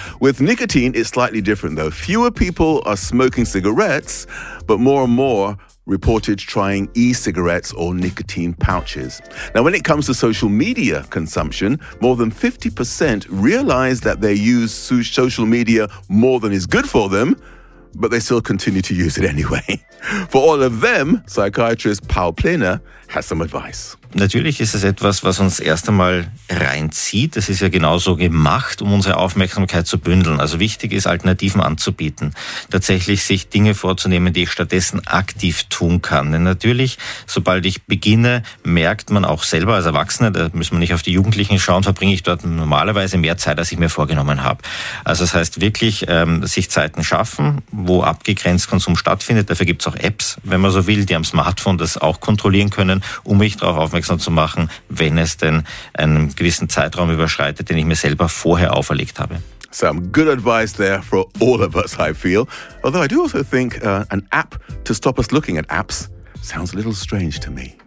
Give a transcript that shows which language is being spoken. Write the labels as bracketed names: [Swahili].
[English] With nicotine, it's slightly different, though. Fewer people are smoking cigarettes, but more and more reported trying e-cigarettes or nicotine pouches. Now, when it comes to social media consumption, more than 50% realize that they use social media more than is good for them, but they still continue to use it anyway. For all of them, psychiatrist Paul Plehner has some advice. [German] Natürlich ist es etwas, was uns erst einmal reinzieht. Es ist ja genauso gemacht, um unsere Aufmerksamkeit zu bündeln. Also wichtig ist, Alternativen anzubieten. Tatsächlich sich Dinge vorzunehmen, die ich stattdessen aktiv tun kann. Denn natürlich, sobald ich beginne, merkt man auch selber als Erwachsener, da müssen wir nicht auf die Jugendlichen schauen, verbringe ich dort normalerweise mehr Zeit, als ich mir vorgenommen habe. Also das heißt wirklich, sich Zeiten schaffen, wo abgegrenzt Konsum stattfindet. Dafür gibt es auch Apps, wenn man so will, die am Smartphone das auch kontrollieren können, um mich darauf aufmerksam zu machen, wenn es denn einen gewissen Zeitraum überschreitet, den ich mir selber vorher auferlegt habe. [English] Some good advice there for all of us, I feel. Although I do also think an app to stop us looking at apps sounds a little strange to me.